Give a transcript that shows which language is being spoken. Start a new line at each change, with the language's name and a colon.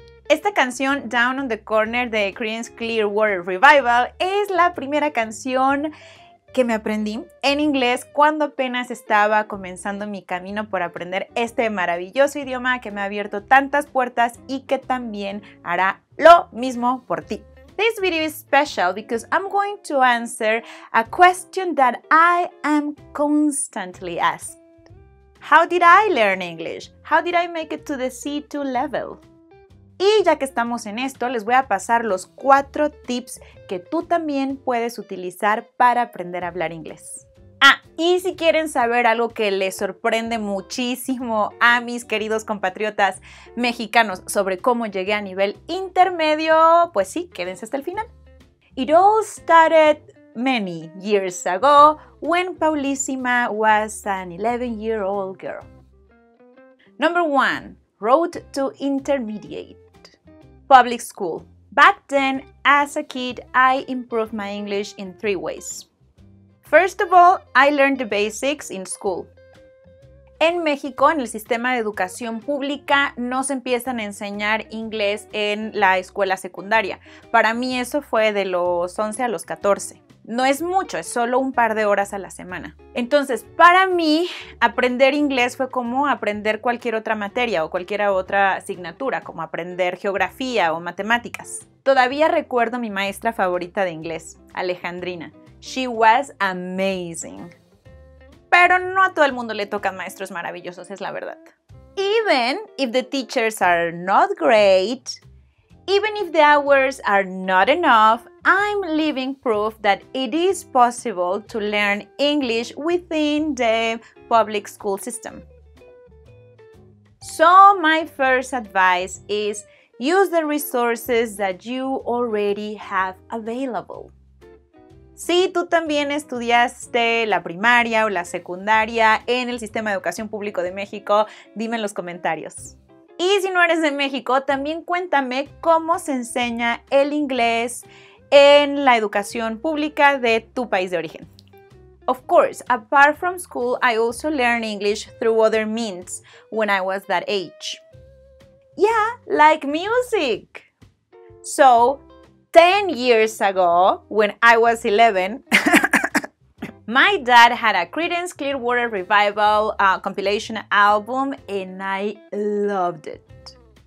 Spanish: Esta canción, Down on the Corner, de Creedence Clearwater Revival, es la primera canción que me aprendí en inglés cuando apenas estaba comenzando mi camino por aprender este maravilloso idioma que me ha abierto tantas puertas y que también hará lo mismo por ti.
English: This video is special because I'm going to answer a question that I am constantly asked. How did I learn English? How did I make it to the C2 level?
Spanish: Y ya que estamos en esto, les voy a pasar los 4 tips que tú también puedes utilizar para aprender a hablar inglés. Ah, y si quieren saber algo que les sorprende muchísimo a mis queridos compatriotas mexicanos sobre cómo llegué a nivel intermedio, pues sí, quédense hasta el final.
English: It all started many years ago when Paulissima was an 11-year-old girl. Number 1. Road to Intermediate. Public school. Back then, as a kid, I improved my English in 3 ways. First of all, I learned the basics in school.
Spanish: En México, en el sistema de educación pública, no se empiezan a enseñar inglés en la escuela secundaria. Para mí eso fue de los 11 a los 14. No es mucho, es solo un par de horas a la semana. Entonces, para mí, aprender inglés fue como aprender cualquier otra materia o cualquier otra asignatura, como aprender geografía o matemáticas. Todavía recuerdo a mi maestra favorita de inglés, Alejandrina.
English: She was amazing.
Spanish: Pero no a todo el mundo le tocan maestros maravillosos, es la verdad.
English: Even if the teachers are not great, even if the hours are not enough, I'm living proof that it is possible to learn English within the public school system. So my first advice is use the resources that you already have available.
Spanish: Si tú también estudiaste la primaria o la secundaria en el sistema de educación público de México, dime en los comentarios. Y si no eres de México, también cuéntame cómo se enseña el inglés en la educación pública de tu país de origen.
English: Of course, apart from school, I also learned English through other means when I was that age. Yeah, like music. So, 10 years ago, when I was 11, my dad had a Creedence Clearwater Revival compilation album and I loved it.